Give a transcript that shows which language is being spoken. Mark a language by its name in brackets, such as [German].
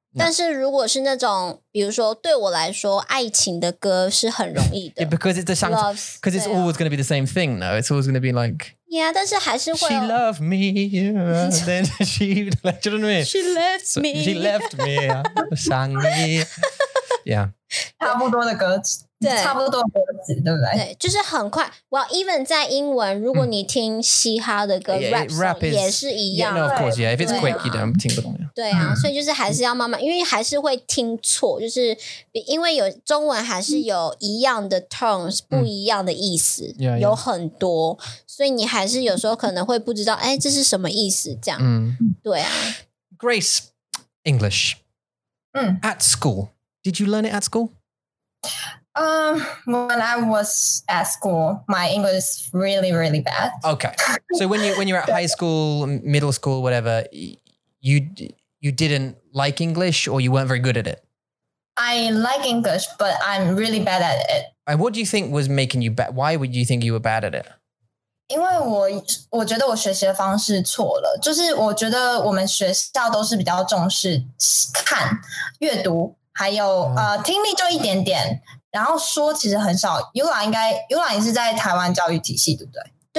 [Chinese] 但是如果是那种，比如说对我来说，爱情的歌是很容易的。 [English] Yeah, because it's a love, because it's always going to be the same thing. No, it's always going to be like. Yeah, [Chinese] 但是还是会。 [English] She loved me, and then she left me. She left me. [Chinese] 伤你。 [English] Yeah. [Chinese] 差不多的歌词。对。差不多歌词，对不对？对，就是很快。 [English] Well, even [Chinese] 在英文，如果你听嘻哈的歌 [English] rap song, [Chinese] 也是一样。 [English] Yeah, no, of course, yeah. If it's quick, you don't [Chinese] 听不懂。对啊，所以就是还是要慢慢，因为还是会听错，就是因为有中文还是有一样的 tones, 不一样的意思，有很多，所以你还是有时候可能会不知道，哎，这是什么意思？这样，对啊。 [English] Grace, English. At school, did you learn it at school? When I was at school, my English is really, really bad. Okay, so when you're at high school, middle school, whatever. You didn't like English, or you weren't very good at it? I like English, but I'm really bad at it. And what do you think was making you bad? Why would you think you were bad at it? [Chinese] 因为我觉得我学习的方式错了，就是我觉得我们学校都是比较重视看、阅读，还有听力就一点点，然后说其实很少。Eula 应该，Eula 你是在台湾教育体系，对不对？